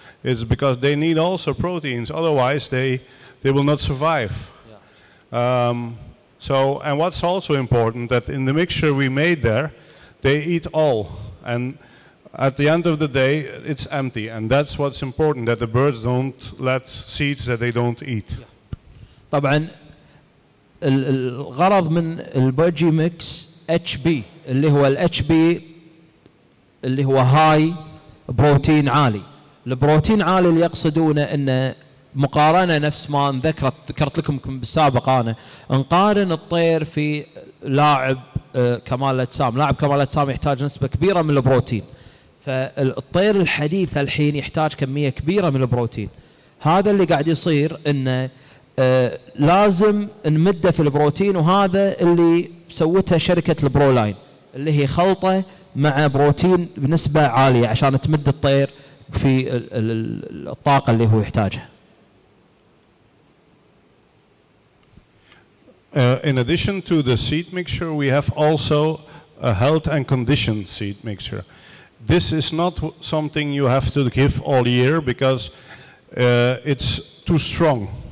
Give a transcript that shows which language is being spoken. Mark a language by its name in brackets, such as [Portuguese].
[English] It's because they need also proteins, otherwise they will not survive. Yeah. So, and what's also important, that in the mixture we made there, they eat all. And at the end of the day, it's empty. And that's what's important, that the birds don't let seeds that they don't eat. [Arabic] طبعا الغرض من البرجي ميكس اتش بي اللي هو الاتش بي اللي هو هاي بروتين عالي. البروتين عالي اللي يقصدونه انه مقارنة نفس ما ذكرت لكم بالسابق انا نقارن الطير في لاعب كمال اجسام، لاعب كمال اجسام يحتاج نسبة كبيرة من البروتين. فالطير الحديث الحين يحتاج كمية كبيرة من البروتين. هذا اللي قاعد يصير انه لازم نمده في البروتين، وهذا اللي سوتها شركة البرولاين اللي هي خلطة مع بروتين بنسبة عالية عشان تمد الطير في الطاقة اللي هو يحتاجها. [English] In addition to the seed mixture, we have also a health and condition seed mixture. This is not something you have to give all year because it's too strong.